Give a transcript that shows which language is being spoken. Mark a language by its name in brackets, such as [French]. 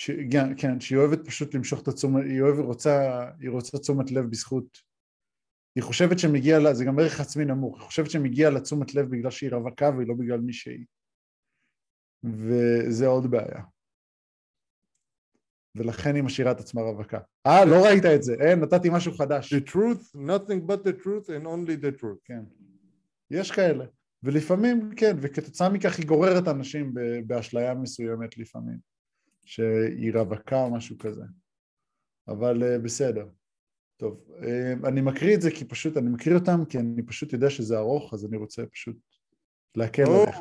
[Hebrew] כן, כן, שהיא אוהבת פשוט למשוך את התשומת, היא אוהבת, היא רוצה תשומת לב בזכות. היא חושבת שמגיע לה, זה גם ערך עצמי נמוך, היא חושבת שמגיע לה תשומת לב בגלל שהיא רווקה, והיא לא בגלל מי שהיא. וזה עוד בעיה. ולכן היא משאירה את עצמה רווקה. אה, לא ראית את זה, נתתי משהו חדש. [English] The truth, nothing but the truth and only the truth. [Hebrew] כן. יש כאלה, ולפעמים כן, וכתוצאה מכך היא גוררת אנשים באשליה מסוימת לפעמים, שהיא רווקה או משהו כזה. אבל בסדר. טוב, אני מקריא את זה כי פשוט, אני מקריא אותם כי אני פשוט יודע שזה ארוך, אז אני רוצה פשוט להקל עליך.